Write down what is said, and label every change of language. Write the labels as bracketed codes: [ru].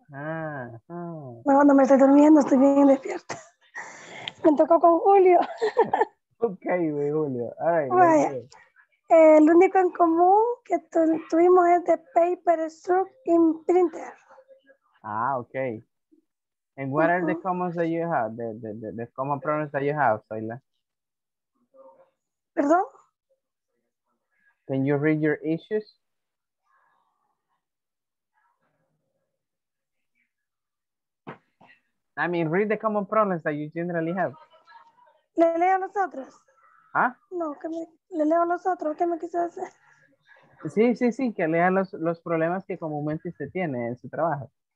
[es] No, no me estoy durmiendo, estoy bien despierta. Me tocó con Julio. [en] Okay, with Julio. All right. [es] El único en común que tuvimos es de [en] paper strip in printer. Ah, okay. And what are the commons that you have? The common problems that you have, Soyla? [es] Perdón? [en] Can you read your issues? I mean, read the common problems that you generally have. [es] Le leo los otros. Ah? No, que me le leo los otros, ¿qué me quiso hacer? Sí, sí, sí, que lea los problemas que comúnmente se tiene en su trabajo.